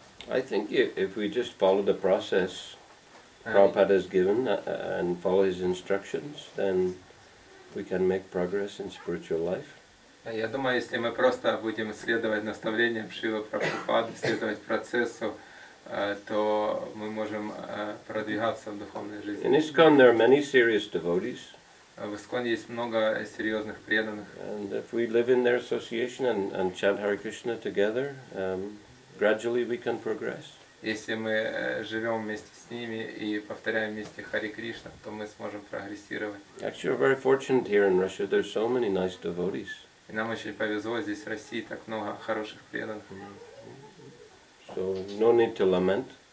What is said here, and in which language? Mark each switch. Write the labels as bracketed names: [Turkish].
[English] I think if we just follow the process Prabhupada has given and follow his instructions, then we can make progress in spiritual life. [Russian] Я думаю, если мы просто будем следовать наставлениям Шрилы Прабхупады, следовать процессу, то мы можем продвигаться в духовной жизни. [English] In ISKCON there are many serious devotees. [Russian] В ISKCON есть много серьезных преданных. [English] And if we live in their association and chant Hare Krishna together, gradually we can progress. [Russian] Если мы живем вместе с ними и повторяем вместе Хари Кришна, то мы сможем прогрессировать. [English] Actually, we're very fortunate here in Russia. There's so many nice devotees. [Russian] И нам очень повезло здесь в России, так много хороших преданных. [English] So no need to lament.